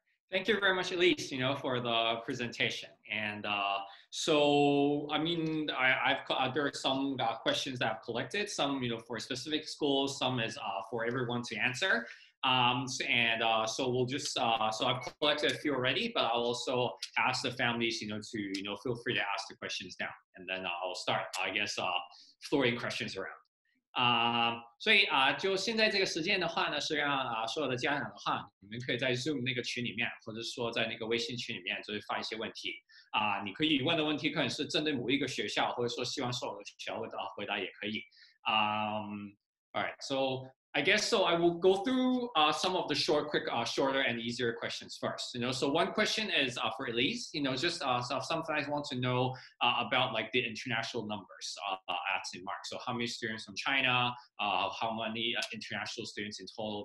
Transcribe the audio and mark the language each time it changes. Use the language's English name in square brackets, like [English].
[English] Thank you very much, Elise, you know, for the presentation. And there are some questions that I've collected, some, you know, for specific schools, some is for everyone to answer. So I've collected a few already, but I'll also ask the families, you know, to, you know, feel free to ask the questions now. And then I'll start, I guess, throwing questions around. [Chinese] 所以就现在这个时间的话呢，是让所有的家长的话， 你们可以在 Zoom 那个群里面，或者说在那个微信群里面，就是发一些问题。你可以问的问题可能是针对某一个学校，或者说希望所有的学校回答也可以。 [English] All right, so I guess so. I will go through some of the shorter and easier questions first. You know, so one question is for Elise. You know, just so some guys want to know about like the international numbers at St. Mark's. So how many students from China? How many international students in total?